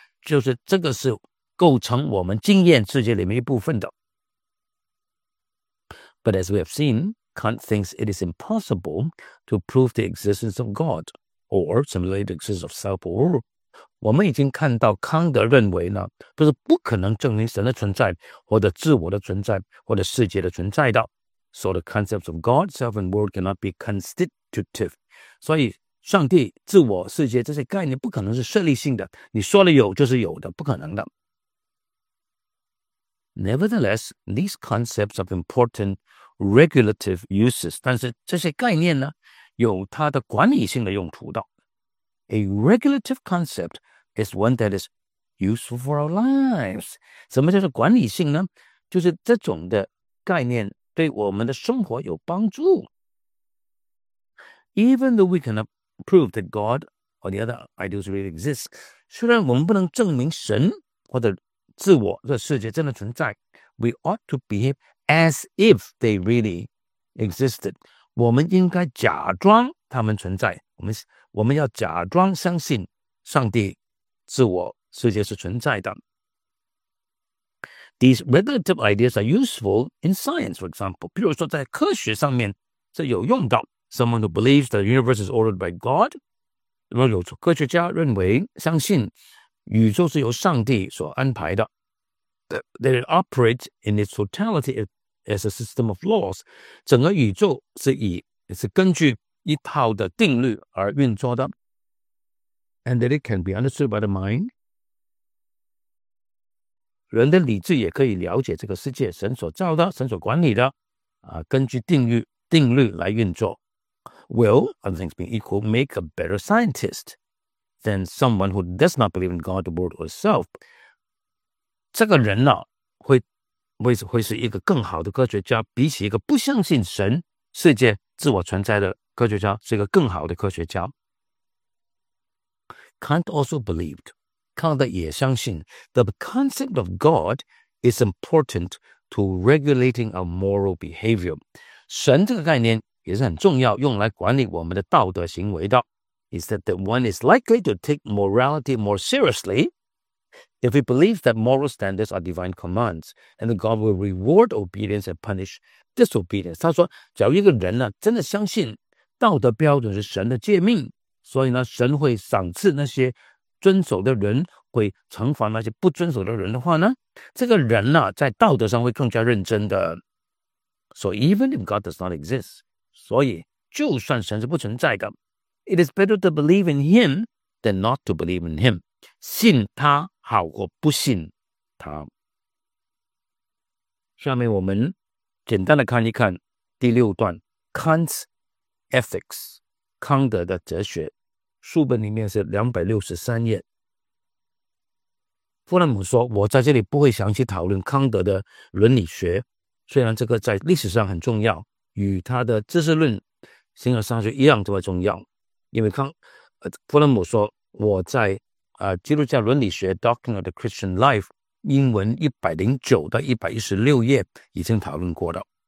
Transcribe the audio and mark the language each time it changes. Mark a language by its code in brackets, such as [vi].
[zh] 就是这个是构成我们经验世界里面一部分的。 [en] But as we have seen, Kant thinks it is impossible to prove the existence of God. Or similarly, the existence of self or world. [zh] 我们已经看到康德认为呢，就是不可能证明神的存在，或者自我的存在，或者世界的存在的。 [en] So the concepts of God, self and world cannot be constitutive. [zh] 所以上帝、自我、世界这些概念不可能是设立性的。你说了有就是有的，不可能的。 [en] Nevertheless, these concepts have important regulative uses. [zh] 但是这些概念呢？有它的管理性的用途的。 [en] A regulative concept is one that is useful for our lives. [zh] 什么叫做管理性呢？就是这种的概念对我们的生活有帮助。 [en] Even though we cannot prove that God or the other ideals really exist, [zh] 虽然我们不能证明神或者自我这世界真的存在， [en] we ought to behave as if they really existed. [zh] 我们应该假装他们存在，我们要假装相信上帝、自我、世界是存在的。 [en] These relative ideas are useful in science, for example. [zh] 比如说在科学上面是有用的。 [en] Someone who believes the universe is ordered by God, [zh] 那么有科学家认为相信宇宙是由上帝所安排的。 [en] That it operates in its totality as a system of laws, [zh] 整个宇宙是以是根据一套的定律而运作的。 [en] And that it can be understood by the mind. [zh] 人的理智也可以了解这个世界，神所造的，神所管理的，根据定律来运作。 [en] Will, other things being equal, make a better scientist than someone who does not believe in God, the world, or self? [zh] 这个人呢、啊，会是一个更好的科学家，比起一个不相信神、世界、自我存在的科学家，是一个更好的科学家。 [en] Kant also believed, [zh] 康德也相信 [en] the concept of God is important to regulating our moral behavior. [zh] 神这个概念也是很重要，用来管理我们的道德行为的。 [en] Is that one is likely to take morality more seriously? If we believe that moral standards are divine commands, and that God will reward obedience and punish disobedience. [zh] 他说，假如一个人呢，真的相信道德标准是神的诫命，所以呢，神会赏赐那些遵守的人，会惩罚那些不遵守的人的话呢，这个人呢，在道德上会更加认真的。 [en] So even if God does not exist, [zh] 所以就算神是不存在的， [en] it is better to believe in him than not to believe in him. [zh] 信他好过不信他。下面我们简单的看一看第六段 [en] Kant's Ethics [zh] 康德的哲学，书本里面是263页。富兰姆说，我在这里不会详细讨论康德的伦理学，虽然这个在历史上很重要，与他的知识论形而上学一样这么重要，因为富兰姆说，我在基督教伦理学 Doctrine of the Christian Life 英文109到116页已经讨论过了。